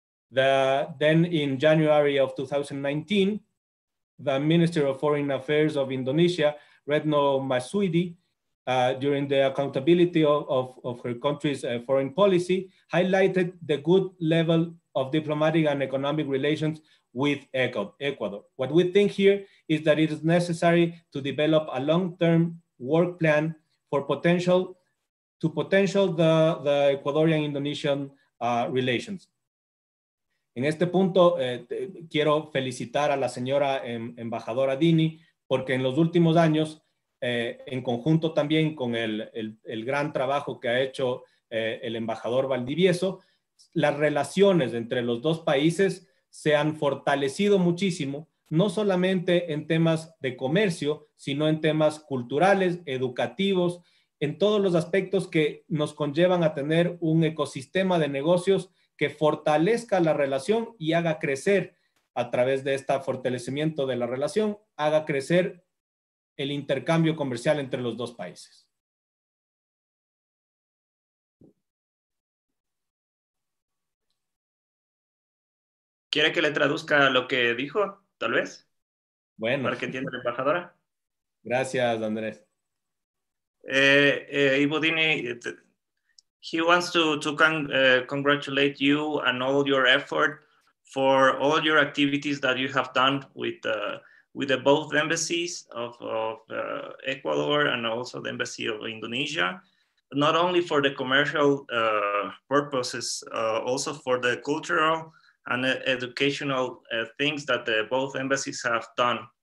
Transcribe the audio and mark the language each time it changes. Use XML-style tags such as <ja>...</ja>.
<en>Then in January of 2019, the Minister of Foreign Affairs of Indonesia, Retno Marsudi, during the accountability of her country's foreign policy, highlighted the good level of diplomatic and economic relations with Ecuador. What we think here is that it is necessary to develop a long-term work plan to potential the Ecuadorian-Indonesian relations.</en> <es>En este punto, quiero felicitar a la señora embajadora Dini, porque en los últimos años, en conjunto también con el gran trabajo que ha hecho el embajador Valdivieso, las relaciones entre los dos países se han fortalecido muchísimo, no solamente en temas de comercio, sino en temas culturales, educativos, en todos los aspectos que nos conllevan a tener un ecosistema de negocios que fortalezca la relación y haga crecer, a través de este fortalecimiento de la relación, haga crecer el intercambio comercial entre los dos países. ¿Quiere que le traduzca lo que dijo, tal vez? Bueno. Para que entienda la embajadora. Gracias, Andrés.</es> <en>Ibudini, he wants to congratulate you and all your effort for all your activities that you have done with the both embassies of Ecuador and also the embassy of Indonesia, not only for the commercial purposes, also for the cultural and educational things that the both embassies have done.</en>